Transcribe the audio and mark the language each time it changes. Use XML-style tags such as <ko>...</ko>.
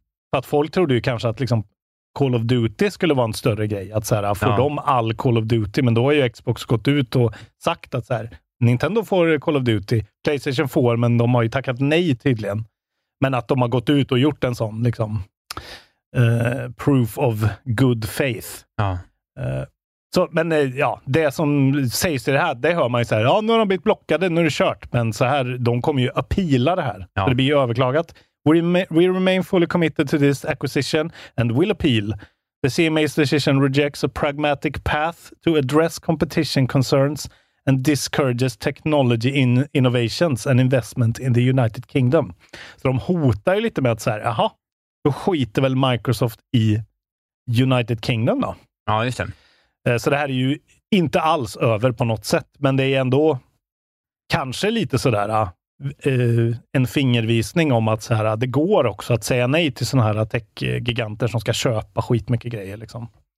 <sv>För att folk trodde ju kanske att liksom Call of Duty skulle vara en större grej, att så här, får de all Call of Duty, men då har ju Xbox gått ut och sagt att så här, Nintendo får Call of Duty, PlayStation får, men de har ju tackat nej tydligen. Men att de har gått ut och gjort en sån liksom</sv> <en>proof of good faith.</en> <sv>Ja. Så det som sägs i det här, det hör man ju så här, ja, nu har de blivit blockade, nu är det kört, men så här, de kommer ju appeala det här. Ja. Det blir ju överklagat.</sv> <en>We remain fully committed to this acquisition and will appeal. The CMA's decision rejects a pragmatic path to address competition concerns and discourages technology in innovations and investment in the United Kingdom.</en> <sv>Så de hotar ju lite med att så här, jaha, då skiter väl Microsoft i United Kingdom då? Ja, just det. Så det här är ju inte alls över på något sätt, men det är ändå kanske lite sådär en fingervisning om att så här, det går också att säga nej till sådana här tech-giganter som ska köpa skitmycket grejer liksom.</sv>